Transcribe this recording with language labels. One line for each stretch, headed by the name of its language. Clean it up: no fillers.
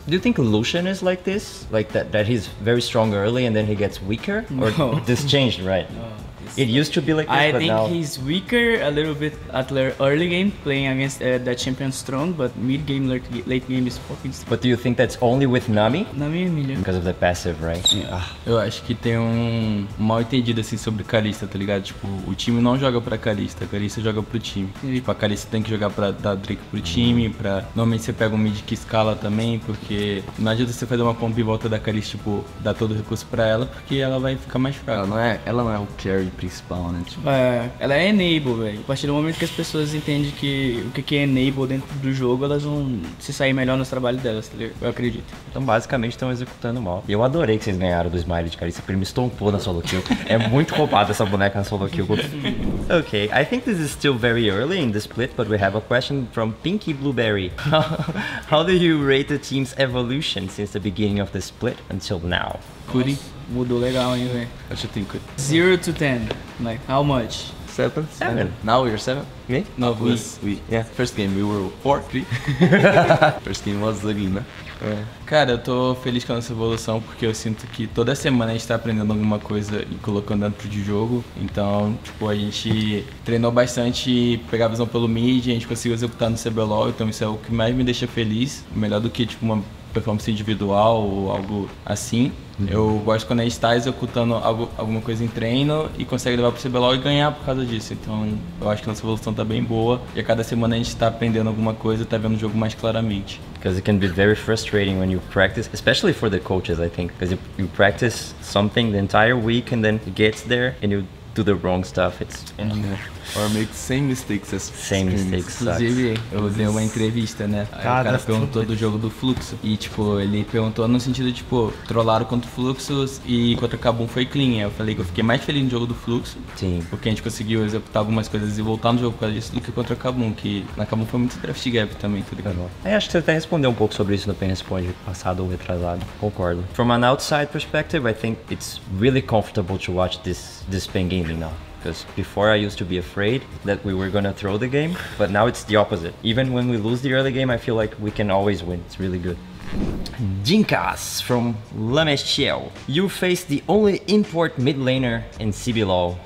English: Do you think Lucian is like this, like that he's very strong early and then he gets weaker? No. Or this changed, right? No. It used to be like this, I think he's weaker a little bit at early game, playing against that champion strong, but mid game, late game is fucking strong. But do you think that's only with Nami?
Portuguese: Nami e Emilia.
English: Because of the passive, right? Yeah.
Portuguese: Eu acho que tem um mal entendido assim sobre Kalista, tá ligado? Tipo, o time não joga pra Kalista, a Kalista joga pro time. Tipo, a Kalista tem que jogar pra dar Drake pro time, pra... Normalmente você pega um mid que escala também, porque não adianta você fazer uma comp e volta da Kalista, tipo, dar todo o recurso pra ela, porque ela vai ficar mais fraca. Ela não é o carry principal, né? Tipo... ela é enable, velho. A partir do momento que as pessoas entendem que o que é enable dentro do jogo, elas vão se sair melhor no trabalho delas, tá ligado? Eu acredito. Então, basicamente, estão executando mal. E eu adorei que vocês ganharam do Smile de Carissa, porque ele me estompou na solo kill. É muito roubado essa boneca na solo kill.
English: Ok, I think this is still very early in the split, but we have a question from Pinky Blueberry. How do you rate the team's evolution since the beginning of the split until now?
Portuguese: Curi. Mudou legal, hein, velho.
English: I should think. 0 to 10. Like, how much? 7. 7. Now we are 7. Me? No, we. Yeah. First game we were 4. 3. First game was ugly, né?
Portuguese: Cara, eu tô feliz com a nossa evolução, porque eu sinto que toda semana a gente tá aprendendo alguma coisa e colocando dentro de jogo. Então, tipo, a gente treinou bastante, pegar visão pelo mid, a gente conseguiu executar no CBLOL, então isso é o que mais me deixa feliz. Melhor do que, tipo, uma performance individual ou algo assim. Eu gosto quando a gente tá executando alguma coisa em treino e consegue levar pro CBLOL e ganhar por causa disso. Então eu acho que a nossa evolução tá bem boa. E a cada semana a gente tá aprendendo alguma coisa e tá vendo o jogo mais claramente.
English: Because it can be very frustrating when you practice, especially for the coaches, I think. Because you practice something the entire week and then it gets there and you do the wrong stuff. It's or make the same mistakes as same mistakes.
Portuguese: Inclusive, eu dei uma entrevista, né? Aí o cara perguntou do jogo do Fluxo. E, tipo, ele perguntou no sentido, tipo, trollaram contra o Fluxo e contra o Kabum foi clean. Aí eu falei que eu fiquei mais feliz no jogo do Fluxo. Sim. Porque a gente conseguiu executar algumas coisas e voltar no jogo por causa disso do que contra o Kabum, que na Kabum foi muito draft gap também, tá ligado? Aí acho que você até respondeu um pouco sobre isso no PEN Responde, passado ou retrasado. Concordo.
English: From an outside perspective, I think it's really comfortable to watch this PEN gaming now. Because before I used to be afraid that we were gonna throw the game, but now it's the opposite. Even when we lose the early game, I feel like we can always win. It's really good. Jinkas from Lamechiel. You faced the only import mid laner in CBLOL.